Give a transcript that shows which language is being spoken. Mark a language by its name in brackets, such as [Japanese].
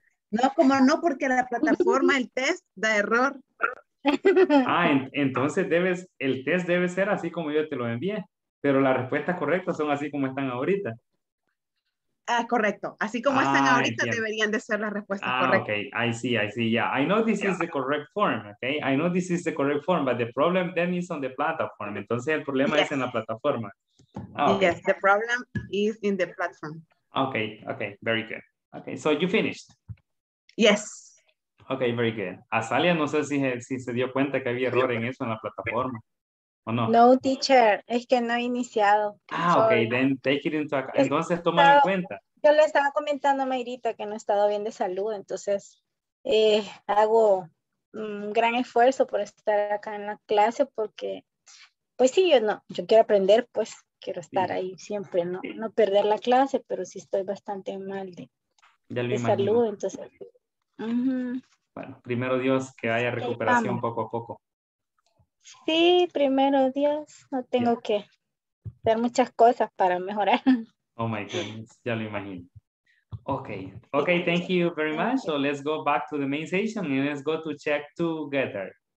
[Spanish] No, como no, porque la plataforma, el test da error. Ah, entonces el test debe ser así como yo te lo envié, pero las respuestas correctas son así como están ahorita. Ah, correcto. Así como están ahorita, yeah, deberían de ser las respuestas correctas. [English] Ah, ok. I see. Yeah, I know this is the correct form. Okay, I know this is the correct form, but the problem then is on the platform. [Spanish] Entonces el problema es en la plataforma. [English] Yes, the problem is in the platform. Okay, very good. Okay, so you finished. Yes. Okay, very good. [Spanish] Azalia, no sé si se dio cuenta que había error en eso en la plataforma, ¿o no? No, teacher, es que no he iniciado. [English] Ah, sorry. Okay, then take it into account. [Spanish] Entonces, toma en cuenta. Yo le estaba comentando a Mayrita que no he estado bien de salud, entonces hago un gran esfuerzo por estar acá en la clase porque, pues sí, yo quiero aprender, pues quiero estar ahí siempre, no perder la clase, pero sí estoy bastante mal de salud, entonces. Uh-huh. Bueno, primero Dios, que haya recuperación poco a poco. Sí, primero Dios, no tengo que hacer muchas cosas para mejorar. [English] Oh my goodness, [Spanish] ya lo imagino. [English] Okay, thank you very much. So let's go back to the main session and let's go to check together.